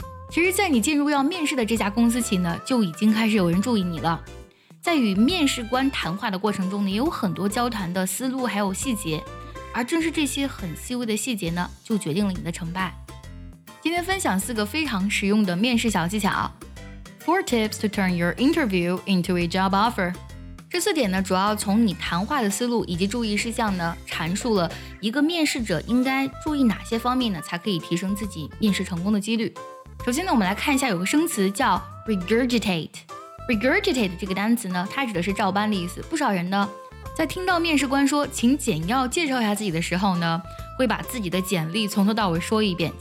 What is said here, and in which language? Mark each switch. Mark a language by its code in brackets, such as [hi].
[zh] 其实在你进入要面试的这家公司起呢，就已经开始有人注意你了。在与面试官谈话的过程中呢，也有很多交谈的思路还有细节，而正是这些很细微的细节呢，就决定了你的成败。今天分享四个非常实用的面试小技巧。 [en] 4 tips to turn your interview into a job offer。 [zh] 这四点呢，主要从你谈话的思路以及注意事项呢，阐述了一个面试者应该注意哪些方面呢，才可以提升自己面试成功的几率。首先呢，我们来看一下，有个生词叫 regurgitate。regurgitate 这个单词呢，它指的是照搬的意思。不少人呢在听到面试官说请简要介绍一下自己的时候呢，会把自己的简历从头到尾说一遍。